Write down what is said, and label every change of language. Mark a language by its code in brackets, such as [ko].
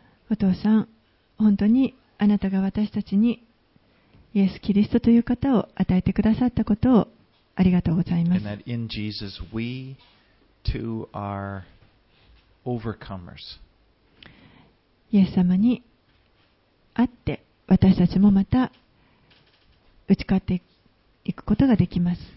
[ja] お父さん、本当にあなたが私たちにイエス・キリストという方を与えてくださったことをありがとうございます。 [en] And that in Jesus we too are overcomers. [ja] イエス様にあって私たちもまた打ち勝っていくことができます。